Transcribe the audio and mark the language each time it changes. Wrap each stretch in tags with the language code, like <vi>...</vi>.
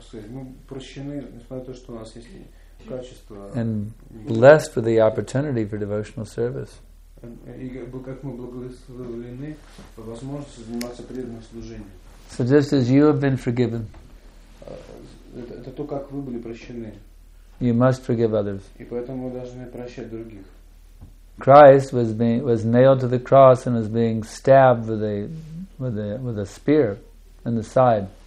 <ru>Мы прощены, несмотря на то, что у нас есть качество.</ru> <en>And blessed with the opportunity for devotional service.</en> <ru>И как мы благословлены возможностью заниматься преданным служением.</ru> <en>So just as you have been forgiven.</en> <ru>Это то, как вы были прощены.</ru> <en>You must forgive others.</en> <ru>И поэтому вы должны прощать других.</ru> <en>Christ was nailed to the cross and was being stabbed with a spear in the side.</en>